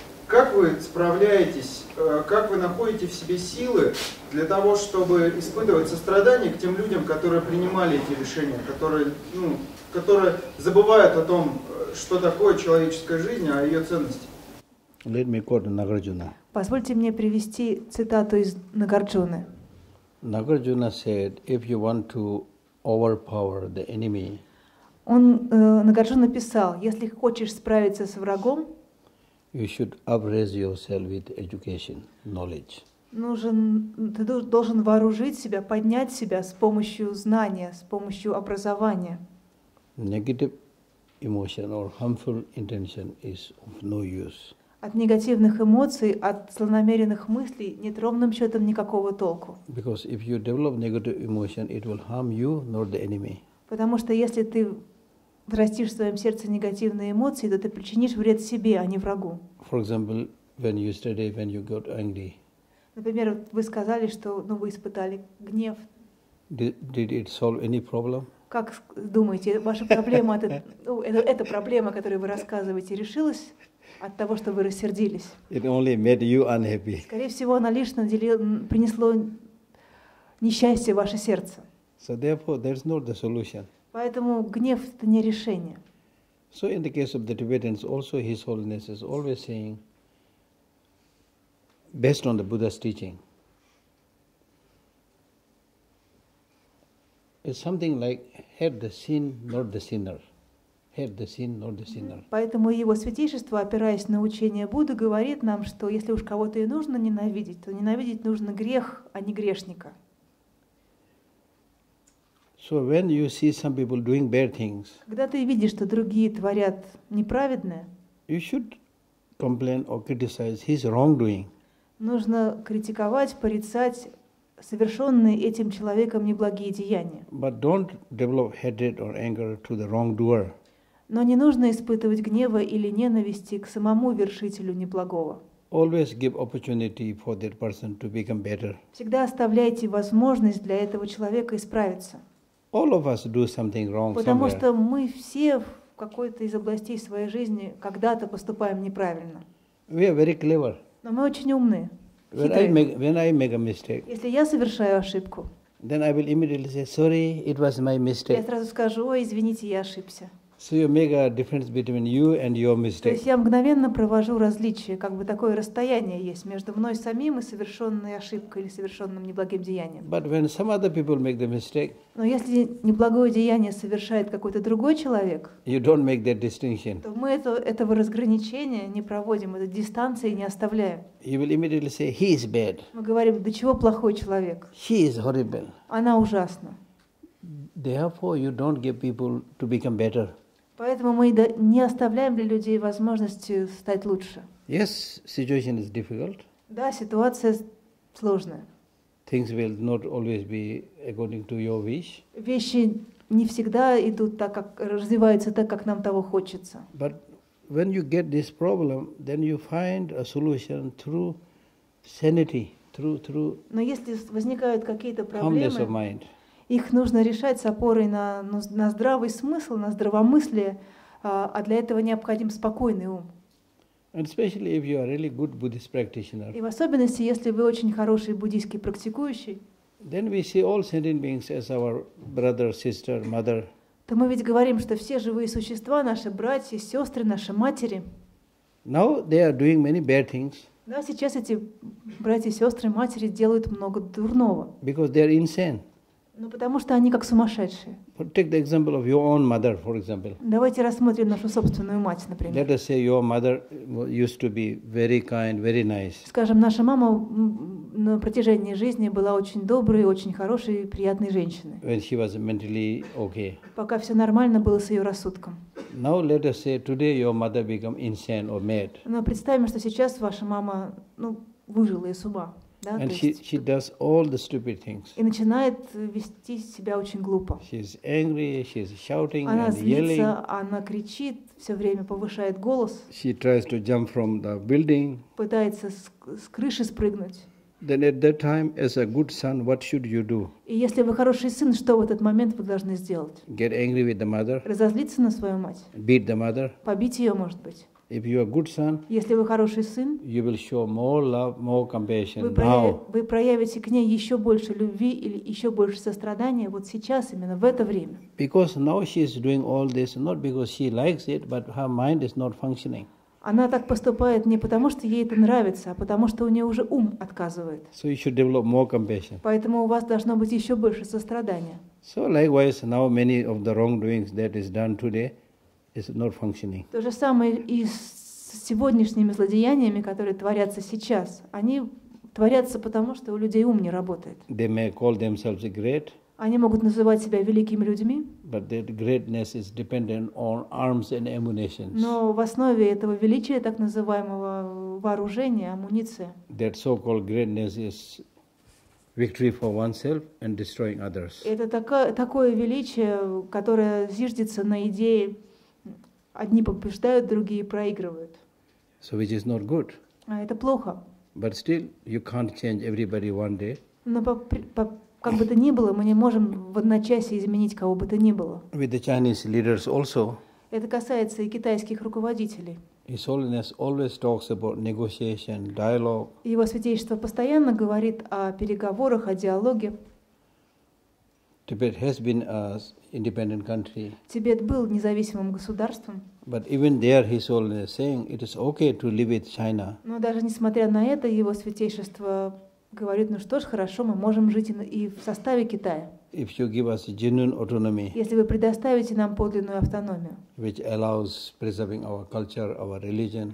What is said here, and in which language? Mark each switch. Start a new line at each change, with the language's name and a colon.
Russian: Как вы справляетесь, как вы находите в себе силы для того, чтобы испытывать сострадание к тем людям, которые принимали эти решения, которые забывают о том, что такое человеческая жизнь, а ее ценности?
English: Let me quote Nagarjuna.
Russian: Позвольте мне привести цитату из Нагарджуны.
English: Nagarjuna said, if you want to overpower the enemy.
Russian: Он Нагарджуна писал, если хочешь справиться с врагом,
English: you should upraise yourself with education, knowledge.
Russian: Ты должен вооружить себя, поднять себя с помощью знания, с помощью образования.
English: Negative emotion or harmful intention is of no use.
Russian: От негативных эмоций, от злонамеренных мыслей нет ровным счетом никакого толку.
English: Because if you develop negative emotion, it will harm you, nor the enemy.
Russian: Потому что если ты растишь в своем сердце негативные эмоции, то ты причинишь вред себе, а не врагу.
English: For example, when you study, when you got angry.
Russian: Например, вы сказали, что вы испытали гнев.
English: Did it solve any problem?
Russian: Как думаете, ваша проблема, эта проблема, о которой вы рассказываете, решилась от того, что вы рассердились?
English: It only made you unhappy.
Russian: Скорее всего, она лишь принесла несчастье в ваше сердце.
English: So therefore, there's not the solution.
Russian: Поэтому гнев – это не решение.
English: So in the case of the Tibetans, also His Holiness is always saying, based on the Buddha's teaching, it's something like, hate the sin, not the sinner. Hate the sin, not the sinner.
Russian: Поэтому Его Святейшество, опираясь на учение Будды, говорит нам, что если уж кого-то и нужно ненавидеть, то ненавидеть нужно грех, а не грешника.
English: So when you see some people doing bad things,
Russian: когда ты видишь, что другие творят неправедное,
English: you should complain or criticize his wrongdoing.
Russian: Нужно критиковать, порицать совершенные этим человеком неблагие деяния.
English: But don't develop hatred or anger to the wrongdoer.
Russian: Но не нужно испытывать гнева или ненависти к самому вершителю неблагого.
English: Always give opportunity for that person to become better.
Russian: Всегда оставляйте возможность для этого человека исправиться.
English: All of us do something wrong.
Russian: Потому что мы все в какой-то из областей своей жизни когда-то поступаем неправильно.
English: We are very clever.
Russian: Но мы очень умные.
English: When I make a mistake.
Russian: Если я совершаю ошибку.
English: Then I will immediately say, sorry, it was my mistake.
Russian: Я сразу скажу: ой, извините, я ошибся.
English: So you make a difference between you and your mistake.
Russian: То есть я мгновенно провожу различие, как бы такое расстояние есть между мной самим и совершенной ошибкой или совершенным неблагим деянием.
English: But when some other people make the mistake.
Russian: Но если неблагое деяние совершает какой-то другой человек.
English: You don't make that distinction.
Russian: То мы этого разграничения не проводим, этой дистанции не оставляем.
English: You will immediately say he is bad.
Russian: Мы говорим: да чего плохой человек?
English: He is horrible.
Russian: Она ужасна.
English: Therefore, you don't give people to become better.
Russian: Поэтому мы не оставляем для людей возможности стать лучше.
English: Yes, situation is difficult.
Russian: Да, ситуация сложная.
English: Things will not always be according to your wish.
Russian: Вещи не всегда идут так, как развиваются так, как нам того хочется.
English: But when you get this problem, then you find a solution through sanity, through.
Russian: Но если возникают какие-то проблемы. Их нужно решать с опорой на здравый смысл, на здравомыслие, а для этого необходим спокойный ум.
English: And especially if you are really good Buddhist practitioner.
Russian: И в особенности, если вы очень хороший буддийский практикующий.
English: Then we see all sentient beings as our brother, sister, mother.
Russian: То мы ведь говорим, что все живые существа — наши братья, сестры, наши матери.
English: Now they are doing many bad things.
Russian: Да, сейчас эти братья, сестры, матери делают много дурного.
English: Because they are insane.
Russian: Ну, потому что они как сумасшедшие.
English: Take the example of your own mother, for example.
Russian: Давайте рассмотрим нашу собственную мать, например.
English: Let us say your mother used to be very kind, very nice.
Russian: Скажем, наша мама на протяжении жизни была очень доброй, очень хорошей, приятной женщиной.
English: When she was mentally okay.
Russian: Пока все нормально было с ее рассудком.
English: Now let us say today your mother became insane or mad.
Russian: Но представим, что сейчас ваша мама, выжила из ума. Да,
English: and she does all the stupid things.
Russian: И начинает вести себя очень глупо.
English: She's angry, she's shouting
Russian: она
English: and
Russian: злится,
English: yelling.
Russian: Она кричит, все время повышает голос.
English: She tries to jump from the building.
Russian: Пытается с крыши спрыгнуть.
English: Then at that time, as a good son, what should you do?
Russian: И если вы хороший сын, что в этот момент вы должны сделать?
English: Get angry with the mother.
Russian: Разозлиться на свою мать.
English: Beat the mother.
Russian: Побить ее, может быть.
English: If you are good son,
Russian: если вы хороший сын,
English: you will show more love, more compassion now.
Russian: Вы проявите к ней еще больше любви или еще больше сострадания вот сейчас, именно в это время.
English: Because now she is doing all this not because she likes it, but her mind is not functioning.
Russian: Она так поступает не потому, что ей это нравится, а потому, что у нее уже ум отказывает.
English: So you should develop more compassion.
Russian: Поэтому у вас должно быть еще больше сострадания.
English: So likewise, now many of the wrongdoings that is done today. Is not functioning.
Russian: То же самое и с сегодняшними злодеяниями, которые творятся сейчас. Они творятся потому, что у людей ум не работает.
English: They may call themselves great.
Russian: Они могут называть себя великими людьми.
English: But that greatness is dependent on arms and ammunition.
Russian: Но в основе этого величия, так называемого вооружения, амуниции.
English: That so-called greatness is victory for oneself and destroying others.
Russian: Это такое величие, которое зиждется на идее одни побеждают, другие проигрывают.
English: So which is not good.
Russian: А это плохо.
English: But still, you can't change everybody one day.
Russian: Но как бы то ни было, мы не можем в одночасье изменить кого бы то ни было.
English: With the Chinese leaders also.
Russian: Это касается и китайских руководителей.
English: His Holiness always talks about negotiation, dialogue.
Russian: Его святейшество постоянно говорит о переговорах, о диалоге.
English: Tibet has been a independent country.
Russian: Тибет был независимым государством.
English: But even there, His Holiness saying it is okay to live with China.
Russian: Но даже несмотря на это, Его святейшество говорит: ну что ж, хорошо, мы можем жить и в составе Китая.
English: If you give us genuine autonomy,
Russian: если вы предоставите нам подлинную автономию,
English: which allows preserving our culture, our religion,